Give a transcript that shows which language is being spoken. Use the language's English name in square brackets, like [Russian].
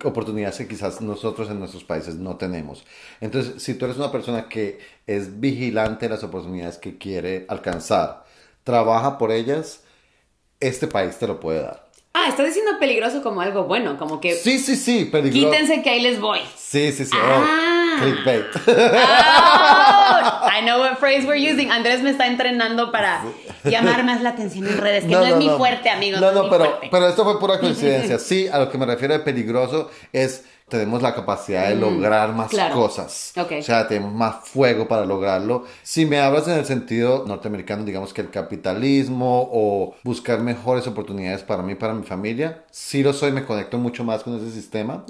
[Spanish] oportunidades que quizás nosotros en nuestros países no tenemos. Entonces, si tú eres una persona que es vigilante de las oportunidades que quiere alcanzar, trabaja por ellas, este país te lo puede dar. Ah, estás diciendo peligroso como algo bueno, como que... Sí, sí, sí, peligroso. Quítense que ahí les voy. Sí, sí, sí. Ah. Oh, clickbait. [English] Oh, I know what phrase we're using. [Spanish] Andrés me está entrenando para llamar más la atención en redes, que no es mi fuerte, amigos. No, pero esto fue pura coincidencia. Sí, a lo que me refiero de peligroso es... Tenemos la capacidad de lograr más cosas. Okay. O sea, tenemos más fuego para lograrlo. Si me hablas en el sentido norteamericano, digamos que el capitalismo o buscar mejores oportunidades para mí, para mi familia, sí lo soy, me conecto mucho más con ese sistema.